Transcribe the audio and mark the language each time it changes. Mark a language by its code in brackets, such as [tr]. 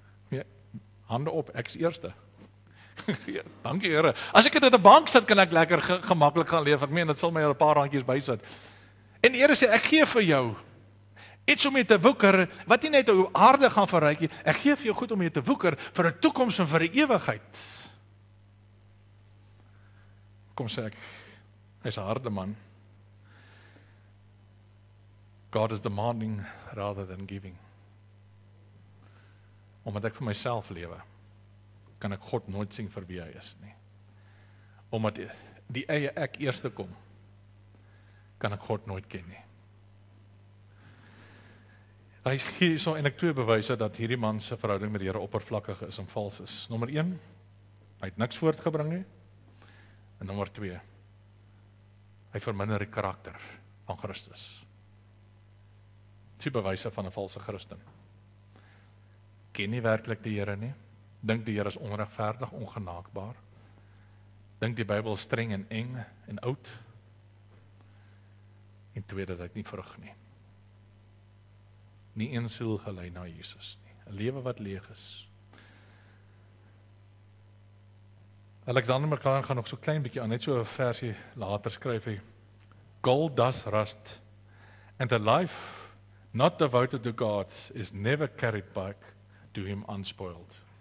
[af] Nee, hande op, ek is eerste. Dankie Here. As ek dit in die bank sit, kan ek lekker gemaklik gaan leef. Ek meen, dit sal my 'n paar randjies bysit. En die Here sê, ek gee vir jou iets om jy te woeker, wat jy net op aarde gaan verryk, ek gee vir jou goed om jy te woeker vir die toekoms en vir die ewigheid. Kom sê ek, hy is een harde man. [en] God is demanding rather than giving. [af] Omdat ek vir myself lewe, kan ek God nooit sien vir wie hy is nie. Omdat die eie ek eerste kom, kan ek God nooit ken nie. Hy gee so eintlik 2 bewyse dat hierdie man se verhouding met die Here oppervlakkig is en vals is. Nommer 1, hy het niks voortgebring nie. En nommer 2, hy verminder die karakter van Christus. 2 bewyse van 'n valse Christen. Ken nie werklik die Here nie. Dink die Here is onregverdig, ongenaakbaar. Dink die Bybel streng en eng en oud. En 2, dat hy nie vrug nie. Nie een siel gelei na Jesus nie. Een lewe wat leeg is. Alexander McLaren gaan nog so klein bietjie aan, net so 'n versie later skryf hy. [en] Gold does rust, and a life not devoted to God is never carried back to him unspoiled.